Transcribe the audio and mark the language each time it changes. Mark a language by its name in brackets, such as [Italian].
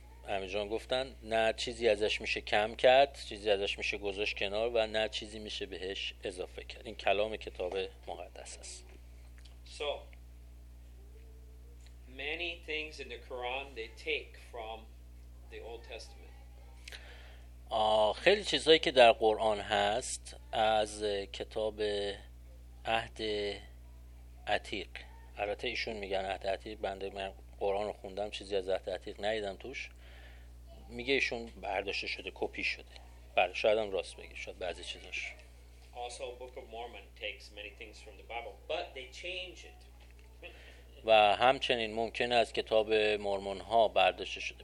[Persian] همه جان گفتن نه چیزی ازش میشه کم کرد، چیزی ازش میشه گذاشت کنار و نه چیزی میشه بهش اضافه کرد. این کلام کتاب مقدس است. [English] So many things in the Quran they take from the Old Testament. [Persian] خیلی چیزایی که در قرآن هست از کتاب عهد عتیق. البته ایشون میگن عهد عتیق، بنده من قرآن رو خوندم چیزی از عهد عتیق ندیدم توش. میگه ایشون برداشته شده، کپی شده. بله شاید هم راست بگه، شاید بعضی چیزاش. [English] Also Book of Mormon takes many things from the Bible, but they change it. [Persian] و همچنین ممکن است کتاب مورمون ها برداشته شده.